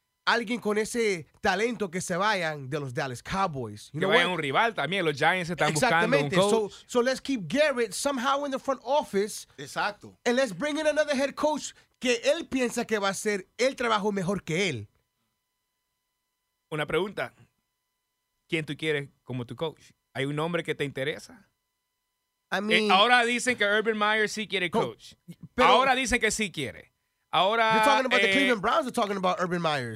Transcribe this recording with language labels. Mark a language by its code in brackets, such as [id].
[es] alguien con ese talento que se vayan de los Dallas Cowboys. You que vayan un rival también. Los Giants están buscando un coach. [en] So let's keep Garrett somehow in the front office. [es] Exacto. [en] And let's bring in another head coach [es] que él piensa que va a hacer el trabajo mejor que él. Una pregunta. ¿Quién tú quieres como tu coach? ¿Hay un nombre que te interesa? [en] I mean, [es] ahora dicen que Urban Meyer sí quiere coach. Pero, ahora dicen que sí quiere. Ahora, [en] you're talking about the Cleveland Browns or talking about Urban Meyer?